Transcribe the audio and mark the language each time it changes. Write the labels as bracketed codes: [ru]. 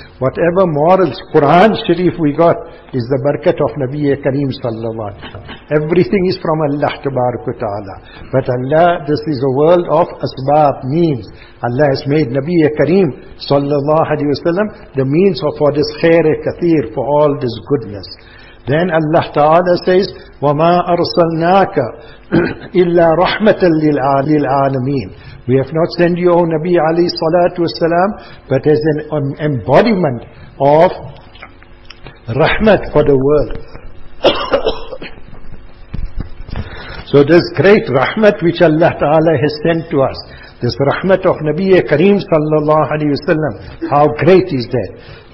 [en] Whatever morals, Quran Sharif we got, is the barakat of Nabi Kareem sallallahu alayhi wa sallam. Everything is from Allah tabarak wa ta'ala. But Allah, this is a world of asbab, means. Allah has made Nabi Kareem sallallahu alayhi wa sallam the means of for this khair kathir, for all this goodness. Then Allah ta'ala says, [ar] وَمَا أَرْسَلْنَاكَ إِلَّا رَحْمَةً لِلْعَالَمِينَ. [en] We have not sent you, O Nabi alayhi salatu wasalam, but as an embodiment of rahmat for the world. So this great rahmat which Allah ta'ala has sent to us, this rahmat of Nabi Kareem sallallahu alayhi wasalam, how great is that?